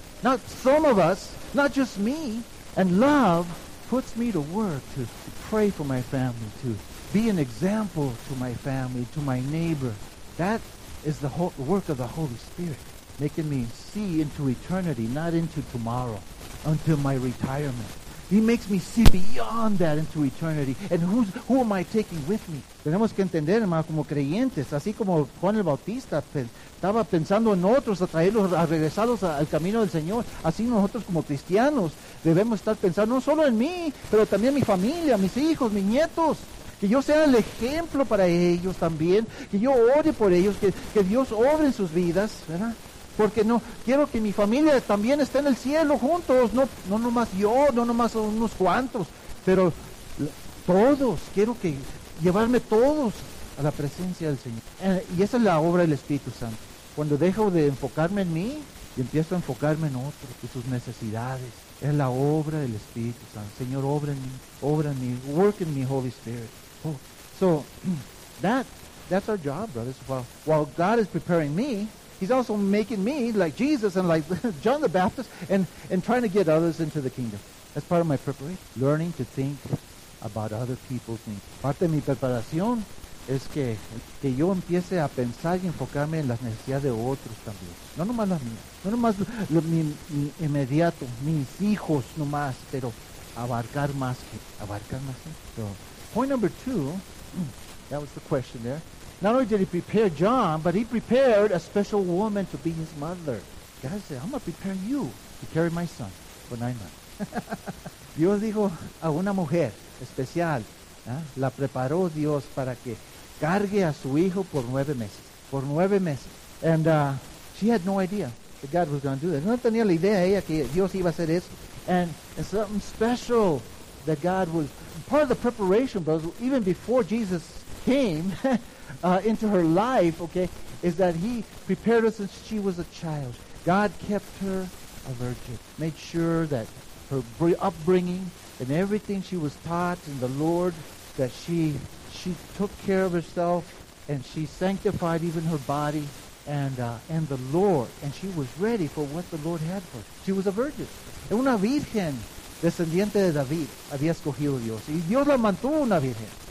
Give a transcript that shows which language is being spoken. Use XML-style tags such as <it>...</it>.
<en>Not some of us, not just me. And love puts me to work to pray for my family, to be an example to my family, to my neighbor. That is the whole work of the Holy Spirit, making me see into eternity, not into tomorrow, until my retirement. He makes me see beyond that into eternity. And who am I taking with me?</en> <es>Tenemos que entender, hermano, como creyentes, así como Juan el Bautista estaba pensando en otros, a traerlos, a regresarlos al camino del Señor. Así nosotros como cristianos debemos estar pensando no solo en mí, pero también mi familia, mis hijos, mis nietos. Que yo sea el ejemplo para ellos también. Que yo ore por ellos, que Dios obre en sus vidas, ¿verdad? Porque no quiero que mi familia también esté en el cielo juntos, no nomás yo, no nomás unos cuantos, pero todos, quiero que llevarme todos a la presencia del Señor. Y esa es la obra del Espíritu Santo. Cuando dejo de enfocarme en mí y empiezo a enfocarme en otros y sus necesidades, es la obra del Espíritu Santo. Señor, obra en mí,</es> <en>work in me, Holy Spirit. Oh, so that's our job, brothers. While God is preparing me, He's also making me like Jesus and like John the Baptist and trying to get others into the kingdom. That's part of my preparation. Learning to think about other people's needs.</en> <es>Parte de mi preparación es que yo empiece a pensar y enfocarme en las necesidades de otros también. No nomás las mías. No nomás mi inmediato, mis hijos nomás, pero abarcar más gente.</es> <en>So, point number two, that was the question there. Not only did he prepare John, but he prepared a special woman to be his mother. God said, I'm going to prepare you to carry my son for 9 months.</en> <es>Dios dijo a una mujer especial, ¿eh? La preparó Dios para que cargue a su hijo por 9 meses. Por 9 meses.</es> <en>And she had no idea that God was going to do that.</en> <es>No tenía la idea ella que Dios iba a hacer eso.</es> <en>And something special that God was... Part of the preparation, brothers, even before Jesus came... into her life, okay, is that he prepared her since she was a child. God kept her a virgin, made sure that her upbringing and everything she was taught in the Lord, that she took care of herself and she sanctified even her body and the Lord, and she was ready for what the Lord had for her. She was a virgin.</en> <es>Una virgen descendiente de David había escogido Dios, y Dios la mantuvo una virgen.</es>